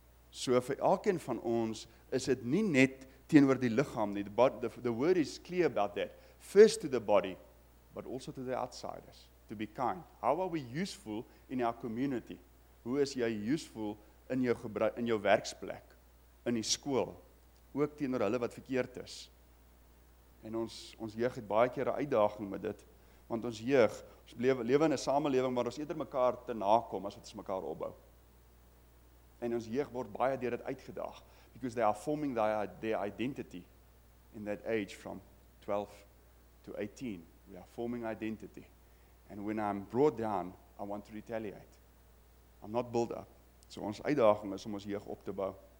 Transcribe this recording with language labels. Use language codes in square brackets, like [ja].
[af] So vir elkeen van ons is het nie net teenoor die liggaam nie. [en] The word is clear about that. First to the body, but also to the outsiders. To be kind. How are we useful in our community? [af] Hoe is jy useful in jou gebruik, in jou werksplek, in die skool, ook teenoor hulle wat verkeerd is? En ons jeug het baie keer 'n uitdaging met dit, want ons jeug, ons lewe in 'n samelewing waar ons eerder mekaar te nakom as wat ons mekaar opbou. En ons jeug word baie deur dit uitgedaag, [en] because they are forming their identity in that age from 12 to 18. [af] We are forming identity. [en] And when I'm brought down, I want to retaliate. I'm not built up. [af] So ons uitdaging is om ons jeug op te bou.